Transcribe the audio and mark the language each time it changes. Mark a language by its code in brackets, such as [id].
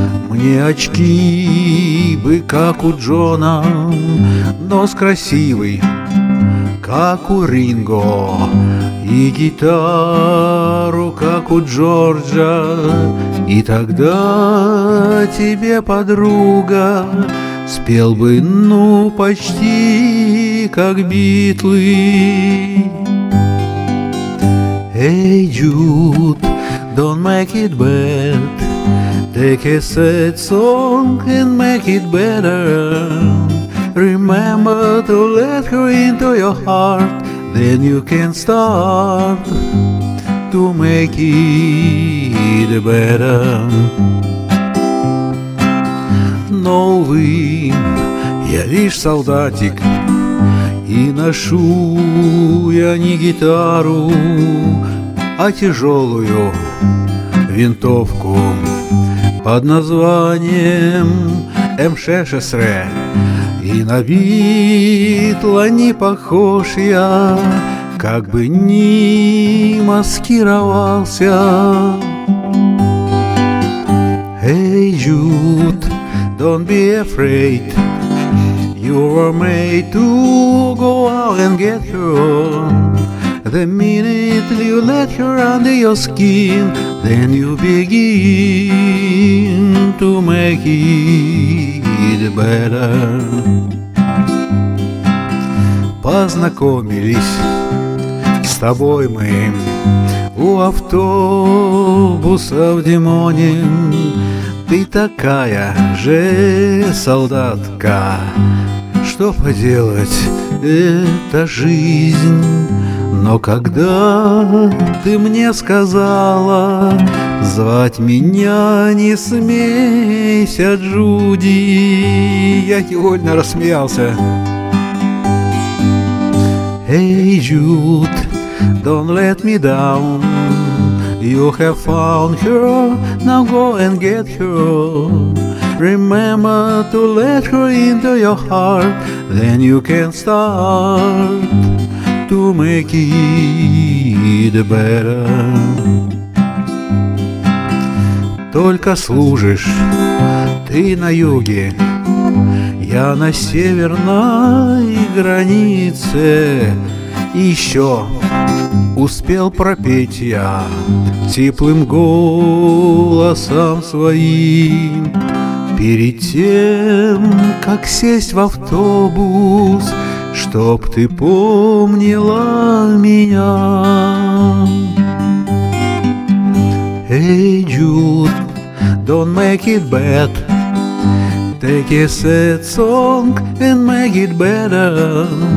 [ru] Мне очки бы, как у Джона, нос красивый, как у Ринго, и гитару, как у Джорджа. И тогда тебе, подруга, спел бы, ну, почти как Битлы. [en] Эй, Джуд, don't make it bad, take a sad song and make it better. Remember to let her into your heart, then you can start to make it better. [ru] Но, увы, я лишь солдатик, и ношу я не гитару, а тяжелую винтовку под названием М-16. И на Битла не похож я, как бы ни маскировался. [en] Эй, Джуд, don't be afraid, you were made to go out and get her on. The minute you let her under your skin, then you begin to make it better. [ru] Познакомились с тобой мы у автобуса в Димоне. Ты такая же солдатка, что поделать, это жизнь. Но когда ты мне сказала, звать меня не смейся, Джуди, я невольно рассмеялся. [en] Эй, Джуд, don't let me down, you have found her, now go and get her. Remember to let her into your heart, then you can start to make it better. [ru] Только служишь ты на юге, я на северной границе. И еще успел пропеть я теплым голосом своим. Перед тем, как сесть в автобус, чтоб ты помнила меня. [en] Эй, Джуд, don't make it bad, take a sad song and make it better.